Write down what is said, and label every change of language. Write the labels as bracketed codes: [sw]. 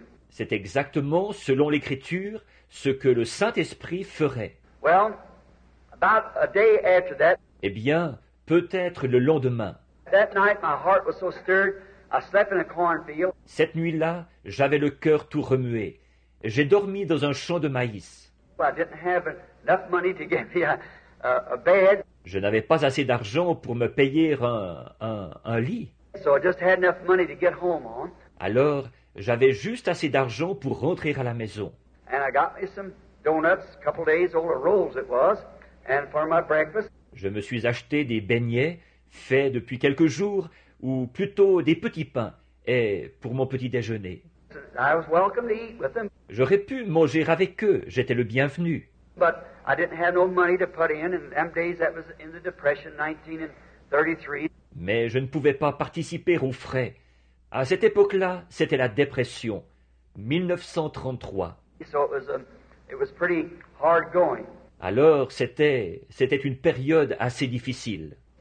[fr] C'est exactement, selon l'Écriture, ce que le Saint-Esprit ferait. [en] Well, about a day after that, [fr] eh bien, peut-être le lendemain. [en] That night, my heart was so stirred, I slept in a cornfield. [fr] Cette nuit-là, j'avais le cœur tout remué. J'ai dormi dans un champ de maïs. [en] I didn't have enough money to get me a bed. [fr] Je n'avais pas assez d'argent pour me payer un lit. [en] So I just had enough money to get home on. [fr] Alors, j'avais juste assez d'argent pour rentrer à la maison. [en] And I got me some donuts, a couple days old, or rolls it was, and for my breakfast. [fr] Je me suis acheté des beignets faits depuis quelques jours, ou plutôt des petits pains, et pour mon petit déjeuner. [en] I was welcome to eat with them. [fr] J'aurais pu manger avec eux, j'étais le bienvenu. [en] But I didn't have no money to put in them days that was in the depression, 1933. [fr] Mais je ne pouvais pas participer aux frais. À cette époque-là, c'était la dépression, 1933. [en] So it was pretty hard going. [fr] Alors, c'était une période assez difficile.